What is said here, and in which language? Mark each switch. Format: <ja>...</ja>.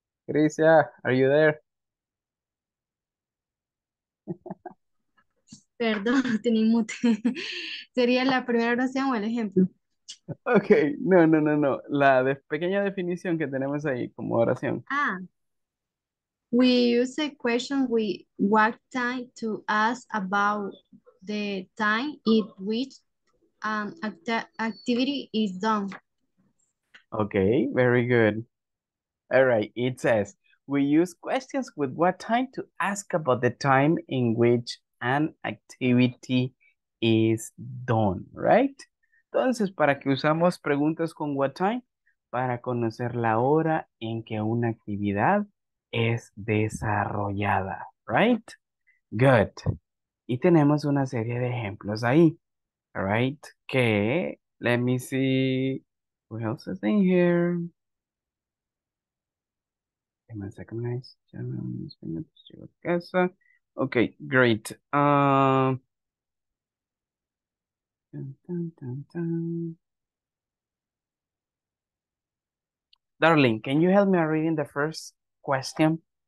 <en>Grisia, are you there?</en> <es>Perdón, tenía mute. ¿Sería la primera oración o el ejemplo? Ok, no, no, no, no. La de pequeña definición que tenemos ahí como oración. Ah.</es> <en>We use a question with what time to ask about the time in which activity is done. Ok, very good. All right, it says, we use questions with what time to ask about the time in which an activity is done, right?</en> <es>Entonces, ¿para qué usamos preguntas con what time? Para conocer la hora en que una actividad es desarrollada, right? Good. Y tenemos una serie de ejemplos ahí, right?</es> <en>Que, let me see, who else is in here? Okay, great. Darling, can you help me reading the first question?</en>